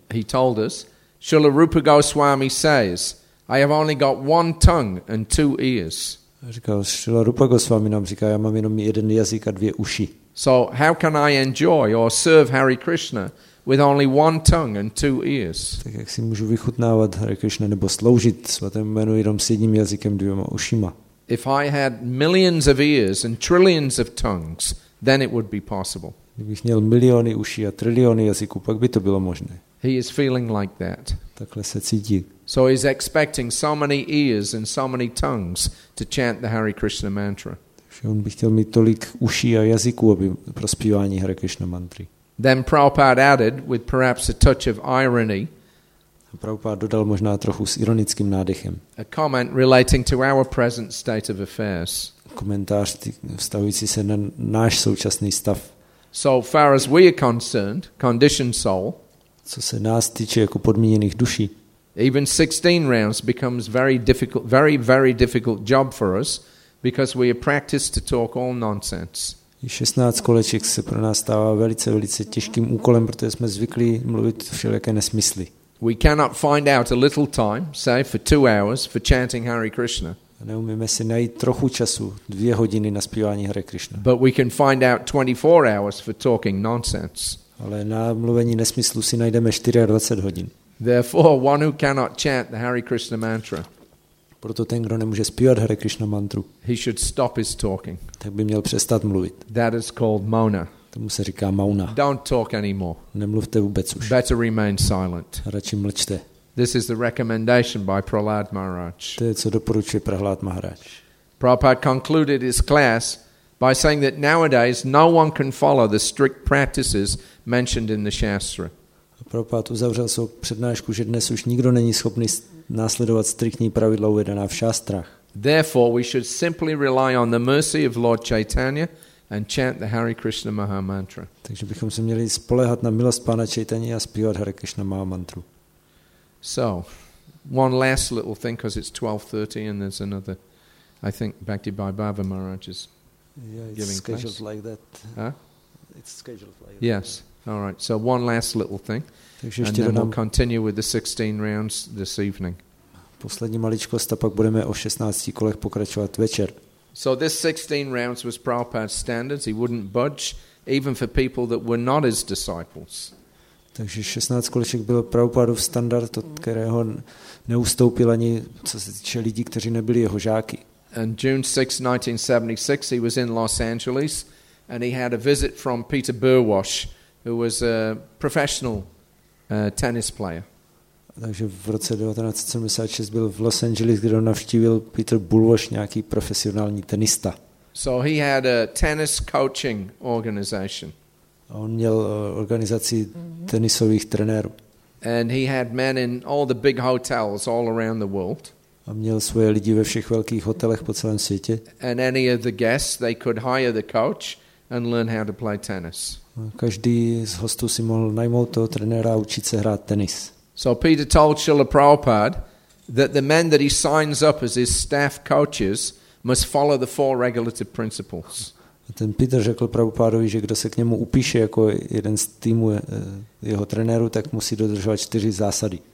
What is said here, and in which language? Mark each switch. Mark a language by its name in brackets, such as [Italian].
[English] He told us, Srila Rupa Goswami says, I have only got one tongue and two ears. [Czech] Říkal, Srila Rupa Goswami nám říká, já mám jenom jeden jazyk a dvě uši. [English] So how can I enjoy or serve Hare Krishna with only one tongue and two ears? [Czech] Tak jak si můžu vychutnávat Hare Krishna nebo sloužit svatému jménu jenom s jedním jazykem dvěma ušima? [English] If I had millions of ears and trillions of tongues, then it would be possible. [Czech] Kdybych měl miliony uší a triliony jazyků, pak by to bylo možné. [English] He is feeling like that. [Czech] Takhle se cítí. [English] So he's expecting so many ears and so many tongues to chant the Hare Krishna mantra. [Czech] Takže on by chtěl mít tolik uší a jazyků, aby pro zpívání Hare Krishna mantry. [English] Then Prabhupada added with perhaps a touch of irony. [Czech] Prabhupada dodal možná trochu s ironickým nádechem. [English] A comment relating to our present state of affairs. [Czech] Komentář vztahující se na náš současný stav. [English] So far as we are concerned, conditioned soul, [Czech] co se nás týče jako podmíněných duší. [English] Even 16 rounds becomes very difficult job for us because we are practiced to talk all nonsense. [Czech] I 16 koleček se pro nás stává velice velice těžkým úkolem, protože jsme zvyklí mluvit všelijaké nesmysly. [English] We cannot find out a little time, say for 2 hours, for chanting Hare Krishna. [Czech] neumíme si najít trochu času, 2 hodiny na zpívání Hare Krishna. [English] But we can find out 24 hours for talking nonsense. [Czech] Ale na mluvení nesmyslu si najdeme 24 hodin. [English] Therefore, one who cannot chant the Hare Krishna mantra. [Czech] Proto ten, kdo nemůže zpívat Hare Krishna mantru. [English] He should stop his talking. [Czech] Tak by měl přestat mluvit. [English] That is called mauna. [Czech] Tomu se říká mauna. [English] Don't talk anymore. [Czech] Nemluvte vůbec už. [English] Better remain silent. [Czech] Radši mlčte. [English] This is the recommendation by Prahlad Maharaj. [Czech] To je, co doporučuje Prahlad Maharaj. [English] Prabhupada concluded his class by saying that nowadays no one can follow the strict practices mentioned in the Shastra. [Czech] Prabhupada uzavřel svou přednášku, že dnes už nikdo není schopný následovat striktní pravidla uvedená v šástrách. [English] Therefore we should simply rely on the mercy of Lord Chaitanya and chant the Hare Krishna Maha mantra. [Czech] Takže bychom se měli spoléhat na milost Pána Chaitanya a zpívat Hare Krishna Maha mantru. [English] So, one last little thing, because it's 12:30 and there's another, I think, Bhakti Bhai Bhava Maharaj is giving class. Yeah, it's scheduled like that. Huh? It's scheduled like that. Yes, all right. So, one last little thing. And then we'll continue with the 16 rounds this evening. [Czech] Poslední maličkost a pak budeme o 16 kolech pokračovat večer. [English] So, this 16 rounds was Prabhupada's standards. He wouldn't budge, even for people that were not his disciples. [Czech] Takže 16 koleček byl Prabhupádův standard, od kterého neustoupil ani co se týče lidí, kteří nebyli jeho žáky. [English] And June 6, 1976, he was in Los Angeles and he had a visit from Peter Burwash, who was a professional tennis player. [Czech] Takže v roce 1976 byl v Los Angeles, kde ho navštívil Peter Burwash, nějaký profesionální tenista. [English] So he had a tennis coaching organization. [Czech] On měl organizaci tenisových trenérů. [English] And he had men in all the big hotels all around the world. [Czech] A měl svoje lidi ve všech velkých hotelech po celém světě. [English] And any of the guests, they could hire the coach and learn how to play tennis. [Czech] A každý z hostů si mohl najmout toho trenéra a učit se hrát tenis. [English] So Peter told Srila Prabhupada that the men that he signs up as his staff coaches must follow the 4 regulative principles. [Czech] A ten Peter řekl Prabhupádovi, že kdo se k němu upíše jako jeden z týmu jeho trenéru, tak musí dodržovat 4 zásady.